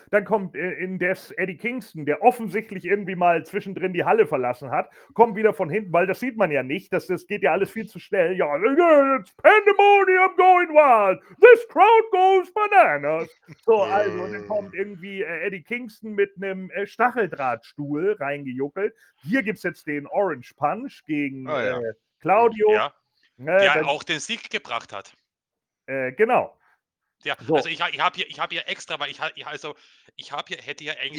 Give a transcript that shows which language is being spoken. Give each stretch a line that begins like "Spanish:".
German: Dann kommt indes Eddie Kingston, der offensichtlich irgendwie mal zwischendrin die Halle verlassen hat, kommt wieder von hinten, weil das sieht man ja nicht, das geht ja alles viel zu schnell.
English: Ja, it's pandemonium going wild, this crowd goes bananas.
German: So, also, dann kommt irgendwie Eddie Kingston mit einem Stacheldrahtstuhl reingejuckelt. Hier gibt's jetzt den Orange Punch gegen Claudio, der auch den Sieg gebracht hat. Genau. Ja, so. Also ich habe hier extra, weil ich hätte ja eigentlich.